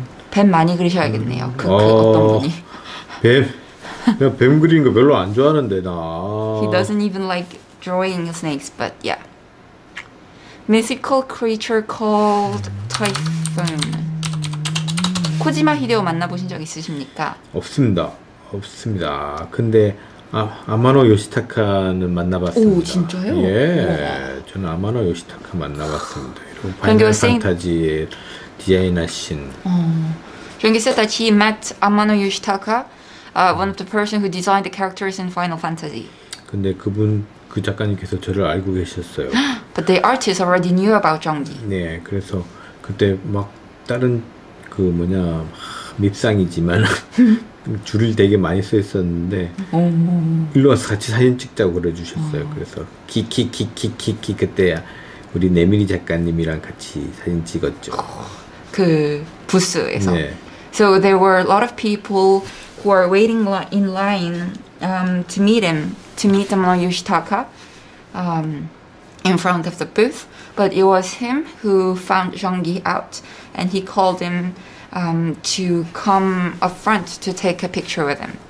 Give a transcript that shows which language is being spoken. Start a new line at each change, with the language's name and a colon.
Korean: 뱀 많이 그리셔야겠네요, 그 어떤 분이. 뱀? 내가 뱀 그리는 거 별로 안 좋아하는데, 나.
English: He doesn't even like drawing snakes, but yeah. Mythical creature called Typhon.
Korean: 코지마 히데오 만나보신 적 있으십니까? 없습니다. 근데 아마노 요시타카는 만나봤습니다. 오, 진짜요? 예, 오. 저는 아마노 요시타카 만나봤습니다. 파이널 판타지의 디자이너신.
English: 정기 said that he met Amano Yoshitaka, one of the person who designed the characters in Final Fantasy.
Korean: 근데 그분 그 작가님께서 저를 알고 계셨어요.
English: But the artist already knew about Jeonggi.
Korean: 네, 그래서 그때 막 다른 그 뭐냐 밉상이지만 줄을 되게 많이 써 있었는데 일로 와서 같이 사진 찍자고 그래 주셨어요. 그래서 키키키키키키 그때야 우리 내밀이 작가님이랑 같이 사진 찍었죠. 그 부스에서. 네.
English: So there were a lot of people who are waiting in line to meet him, to meet Amano Yoshitaka in front of the booth. But it was him who found Zhang Yi out, and he called him to come up front to take a picture with him.